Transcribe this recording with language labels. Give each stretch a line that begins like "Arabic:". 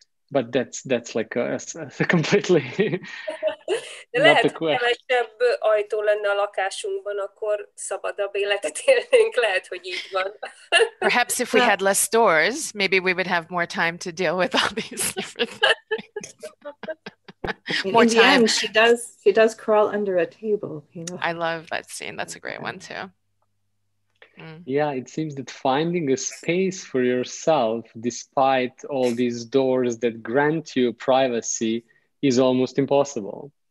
English: But that's like a completely not the question.
Hungarian: Lehet, ha kevesebb ajtó lenne a lakásunkban, akkor szabadabb életet élnénk. Lehet, hogy így van.
English: Perhaps if we had less doors, maybe we would have more time to deal with all these different things. More time. End, she does crawl under a table, you know. I love that scene. That's a great one too. Yeah, it seems that finding a space for yourself despite all these doors that grant you privacy is almost impossible.